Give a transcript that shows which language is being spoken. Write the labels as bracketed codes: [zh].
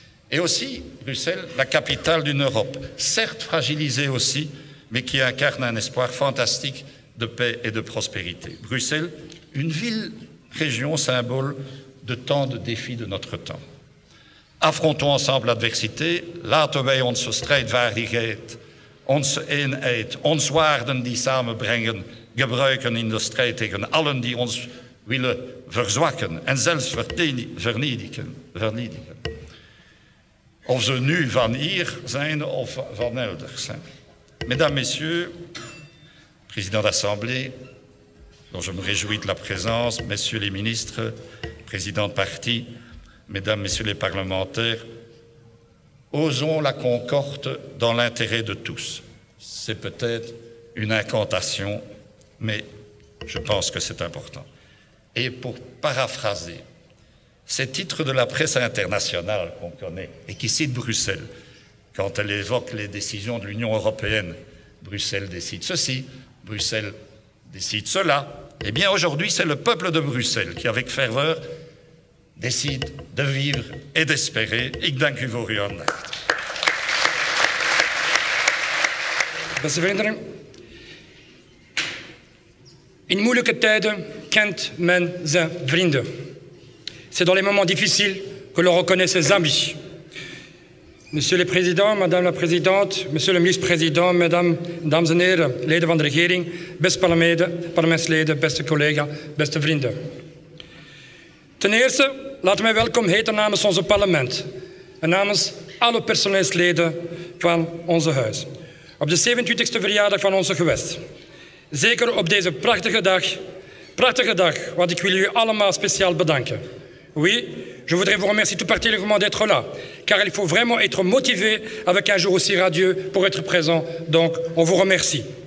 [fr] Et aussi, Bruxelles, la capitale d'une Europe, certes fragilisée aussi, mais qui incarne un espoir fantastique de paix et de prospérité. Bruxelles, une ville-région symbole de tant de défis de notre temps. Affrontons ensemble l'adversité. [nl] Laten wij onze strijd waardigheid, onze eenheid, onze waarden die samenbrengen, gebruiken in de strijd tegen allen die ons willen verzwakken en zelfs vernietigen. Of ze nu van hier zijn of van elders. [fr] Mesdames, Messieurs, président d'Assemblée, dont je me réjouis de la présence, Messieurs les ministres, président de parti, Mesdames, Messieurs les parlementaires, osons la concorde dans l'intérêt de tous. C'est peut-être une incantation, mais je pense que c'est important. Et pour paraphraser, ces titres de la presse internationale qu'on connaît et qui cite Bruxelles, quand elle évoque les décisions de l'Union européenne, Bruxelles décide ceci, Bruxelles décide cela, eh bien aujourd'hui c'est le peuple de Bruxelles qui, avec ferveur, décide de vivre et d'espérer. [nl] Ik dank u voor uw aandacht. Beste vrienden, in moeilijke tijden kent men zijn vrienden. [fr] C'est dans les moments difficiles que l'on reconnaît ses amis. Monsieur le Président, Madame la Présidente, Monsieur le Ministre-Président, Mesdames, [nl] Dames en Heren, leden van de regering, beste parlementsleden, beste collega's, beste vrienden. Ten eerste, laat mij welkom heten namens onze parlement en namens alle personeelsleden van onze huis. Op de 27e verjaardag van onze gewest, zeker op deze prachtige dag, want ik wil u allemaal speciaal bedanken. [fr] Oui, je voudrais vous remercier tout particulièrement d'être là, car il faut vraiment être motivé avec un jour aussi radieux pour être présent, donc on vous remercie.